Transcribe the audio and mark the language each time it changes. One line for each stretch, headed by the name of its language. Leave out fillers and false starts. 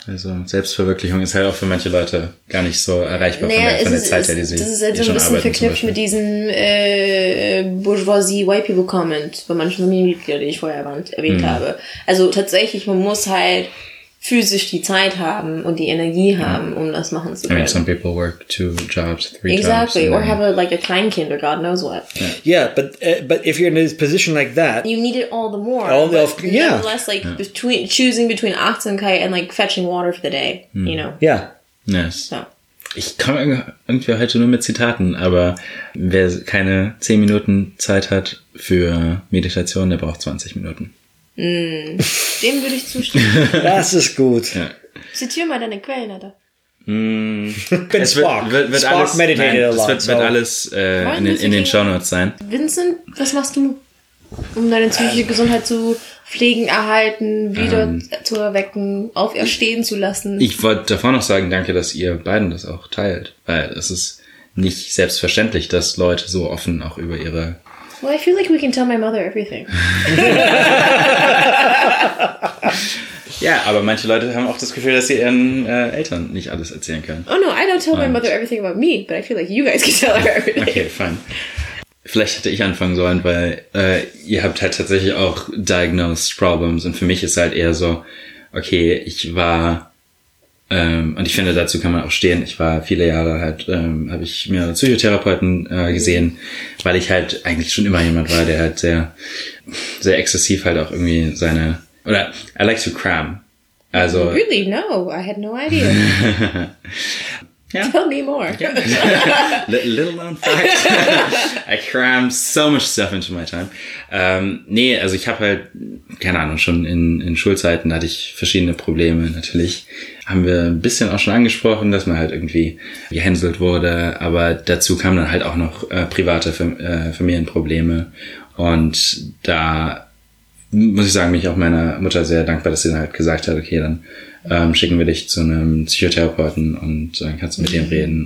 German: Also Selbstverwirklichung ist halt auch für manche Leute gar nicht so erreichbar von der Zeit her, die sie schon arbeiten. Das ist halt so ein bisschen verknüpft mit diesem Bourgeoisie White People Comment bei manchen Familienmitgliedern, die ich vorher erwähnt habe. Also tatsächlich, man muss halt physisch die Zeit haben und die Energie haben, um das machen zu können.
English: I mean, some people work two jobs, three exactly. jobs. Exactly, or have a Kleinkind or God knows what. Yeah, but if you're in a position like that, you need it all the more. All the, yeah. Nonetheless, like, yeah. Between, choosing between Achtsamkeit and, like, fetching water for the day, you know? Yeah. Yes. So.
German: Ich komme irgendwie heute nur mit Zitaten, aber wer keine 10 Minuten Zeit hat für Meditation, der braucht 20 Minuten. Dem würde ich zustimmen. Das ist gut. Ja. Zitiere mal deine Quellen, Alter. Es wird alles in den Shownotes sein. Vincent, was machst du, um deine psychische Gesundheit zu Pflegen erhalten, wieder zu erwecken, auferstehen zu lassen. Ich wollte davor noch sagen, danke, dass ihr beiden das auch teilt, weil es ist nicht selbstverständlich, dass Leute so offen auch über ihre...
English: Well, I feel like we can tell my mother everything.
German: Ja, aber manche Leute haben auch das Gefühl, dass sie ihren Eltern nicht alles erzählen können.
English: Oh no, I don't tell my mother everything about me, but I feel like you guys can tell her everything. Okay, fine.
German: Vielleicht hätte ich anfangen sollen, weil ihr habt halt tatsächlich auch
English: diagnosed problems
German: und für mich ist halt eher so, okay, ich war, und ich finde, dazu kann man auch stehen, ich war viele Jahre halt, habe ich mehrere Psychotherapeuten gesehen, weil ich halt eigentlich schon immer jemand war, der halt sehr, sehr exzessiv halt auch irgendwie seine, oder
English: I like to cram.
German: Also,
English: really? No, I had no idea. Yeah. Tell me more. Yeah. Little known fact. I cram so much stuff into my time.
German: Nee, also ich habe halt, keine Ahnung, schon in Schulzeiten hatte ich verschiedene Probleme. Natürlich haben wir ein bisschen auch schon angesprochen, dass man halt irgendwie gehänselt wurde. Aber dazu kamen dann halt auch noch private Familienprobleme. Und da muss ich sagen, bin ich auch meiner Mutter sehr dankbar, dass sie dann halt gesagt hat, okay, dann schicken wir dich zu einem Psychotherapeuten und dann kannst du mit dem reden.